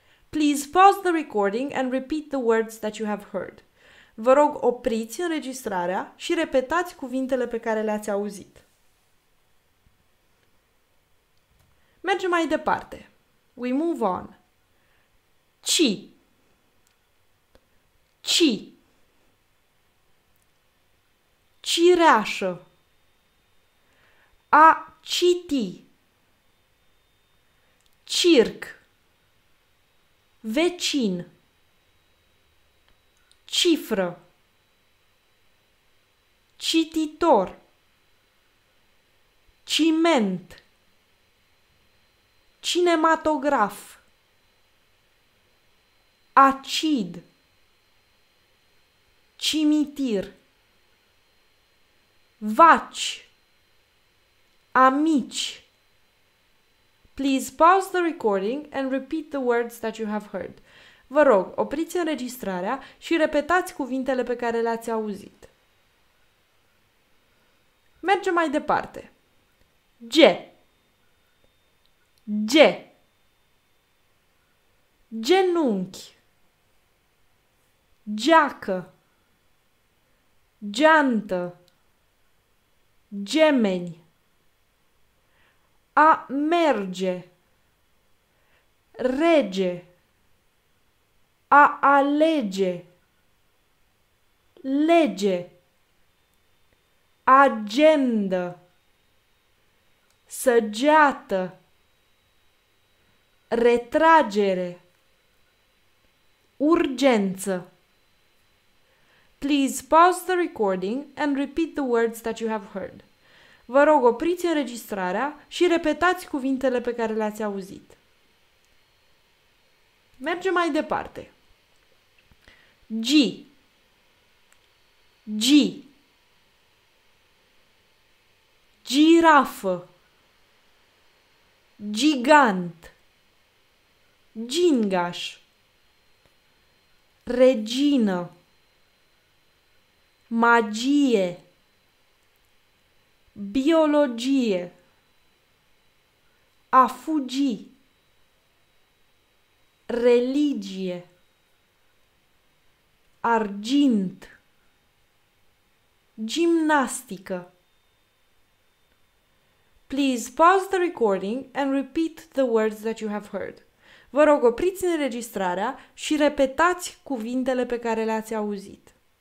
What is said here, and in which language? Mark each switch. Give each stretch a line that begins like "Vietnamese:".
English: Please pause the recording and repeat the words that you have heard.
Romanian: Vă rog, opriți înregistrarea și repetați cuvintele pe care le-ați auzit. Mergem mai departe.
English: We move on.
Romanian: Ci. Ci. Cireașă. A citi. Circ. Vecin. Cifră. Cititor. Ciment. Cinematograf. Acid. Cimitir. Vaci. Amici.
English: Please pause the recording and repeat the words that you have heard.
Romanian: Vă rog, opriți înregistrarea și repetați cuvintele pe care le-ați auzit. Mergem mai departe. Ge. Ge. Genunchi. Geacă. Geantă. Gemeni. A merge. Rege. A alege. Lege. Agenda. Săgeată. Retragere. Urgență.
English: Please pause the recording and repeat the words that you have heard.
Romanian: Vă rog, opriți înregistrarea și repetați cuvintele pe care le-ați auzit. Mergem mai departe. G. G. Girafă. Gigant. Gingaș. Regină. Magie. Biologie. A fugi. Religie. Argint. Gimnastică.
English: Please pause the recording and repeat the words that you have heard.
Romanian: Vă rog, opriți înregistrarea și repetați cuvintele pe care le-ați auzit.